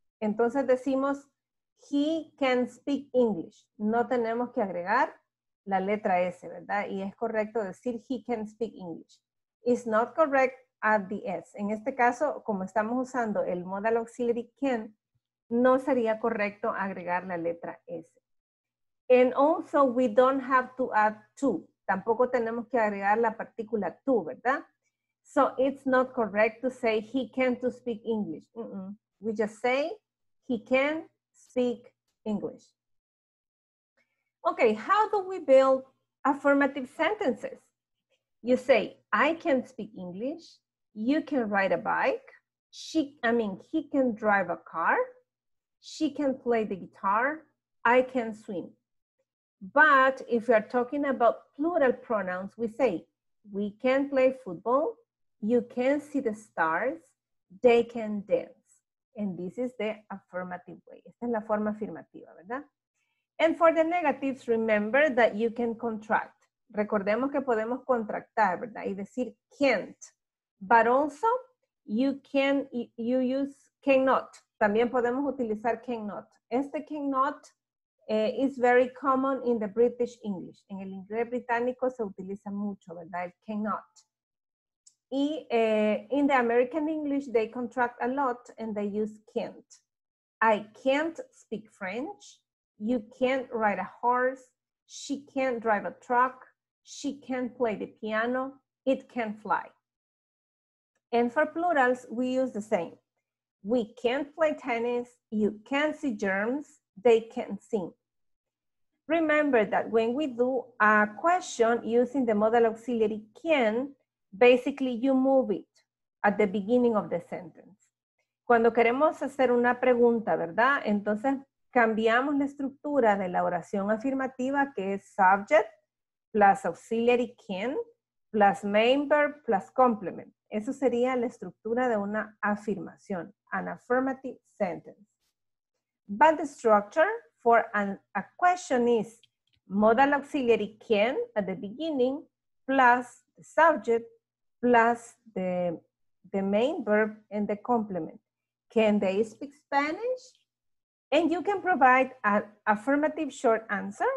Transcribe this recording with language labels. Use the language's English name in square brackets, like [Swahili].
[Spanish] Entonces decimos, [English] he can speak English. [Spanish] No tenemos que agregar la letra S, ¿verdad? Y es correcto decir [English] he can speak English. It's not correct at the S. [Spanish] En este caso, como estamos usando el modal auxiliary can, no sería correcto agregar la letra S. [English] And also, we don't have to add to. [Spanish] Tampoco tenemos que agregar la partícula to, ¿verdad? [English] So it's not correct to say he can to speak English. Mm-mm. We just say he can speak English. Okay, how do we build affirmative sentences? You say, I can speak English. You can ride a bike. He can drive a car. She can play the guitar. I can swim. But if you are talking about plural pronouns, we say, we can play football, you can see the stars, they can dance. And this is the affirmative way. [Spanish] Esta es la forma afirmativa, ¿verdad? [English] And for the negatives, remember that you can contract. [Spanish] Recordemos que podemos contractar, ¿verdad? Y decir can't. [English] But also, you can, you use cannot. [Spanish] También podemos utilizar cannot. [English] Este cannot is very common in the British English. [Spanish] En el inglés británico se utiliza mucho, ¿verdad? [English] It cannot. Y in the American English, they contract a lot and they use can't. I can't speak French. You can't ride a horse. She can't drive a truck. She can't play the piano. It can't fly. And for plurals, we use the same. We can't play tennis. You can't see germs. They can't sing. Remember that when we do a question using the modal auxiliary can, basically you move it at the beginning of the sentence. [Spanish] Cuando queremos hacer una pregunta, ¿verdad? Entonces cambiamos la estructura de la oración afirmativa que es [English] subject plus auxiliary can plus main verb plus complement. [Spanish] Eso sería la estructura de una afirmación, [English] an affirmative sentence. But the structure for a question is modal auxiliary can at the beginning plus the subject plus the main verb and the complement. Can they speak Spanish? And you can provide an affirmative short answer.